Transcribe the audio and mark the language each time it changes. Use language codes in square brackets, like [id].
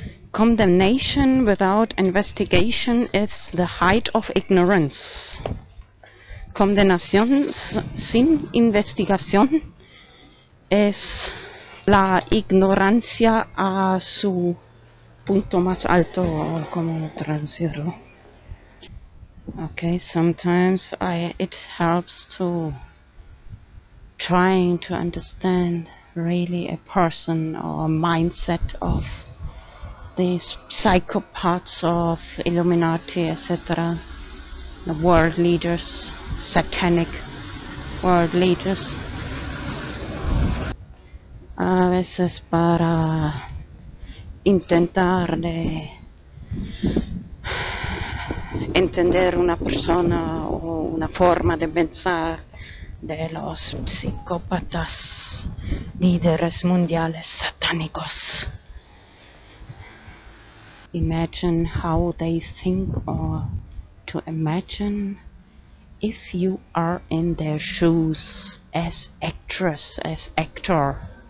[en] Condemnation without investigation is the height of ignorance. [es] Condenación sin investigación es la ignorancia a su punto más alto, ¿cómo traducirlo? [en] Okay, sometimes it helps to trying to understand really a person or mindset of these psychopaths of Illuminati, etc. The world leaders, satanic world leaders. [es] A veces para intentar de entender una persona o una forma de pensar de los psicópatas, líderes mundiales satánicos. [en] Imagine how they think, or to imagine if you are in their shoes as actress, as actor.